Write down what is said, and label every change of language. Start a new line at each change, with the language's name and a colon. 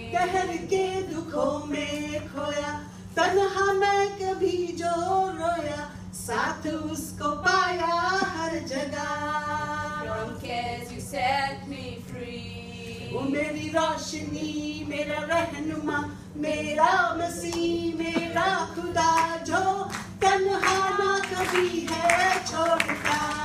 Hindi: कहर के दुखों में खोया, तन्हा मैं कभी जो रोया, साथ उसको पाया हर जगह.
English: From cares you set me free.
Hindi: वो मेरी रोशनी, मेरा रहनुमा, मेरा मसीह, मेरा खुदा, जो तन्हा ना कभी है छोड़ता.